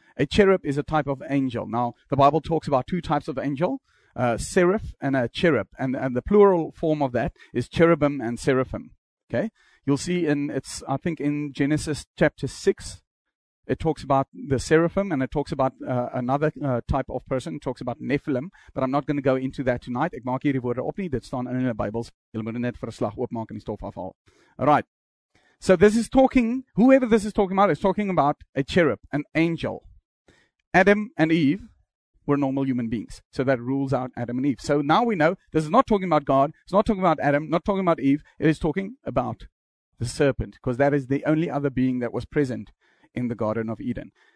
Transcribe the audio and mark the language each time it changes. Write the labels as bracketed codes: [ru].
[en] A cherub is a type of angel. Now, the Bible talks about two types of angel, a seraph and a cherub. And the plural form of that is cherubim and seraphim. Okay? You'll see in Genesis chapter 6, it talks about the seraphim, and it talks about another type of person. It talks about Nephilim, but I'm not going to go into that tonight. [af] Ek maak hierdie woorde op nie. Dit staan in die Bybels. Julle moet net vir 'n slag oopmaak en die stof afhaal. [en] All right. So this is talking, whoever this is talking about, is talking about a cherub, an angel. Adam and Eve were normal human beings. So that rules out Adam and Eve. So now we know this is not talking about God. It's not talking about Adam, not talking about Eve. It is talking about the serpent, because that is the only other being that was present in the Garden of Eden.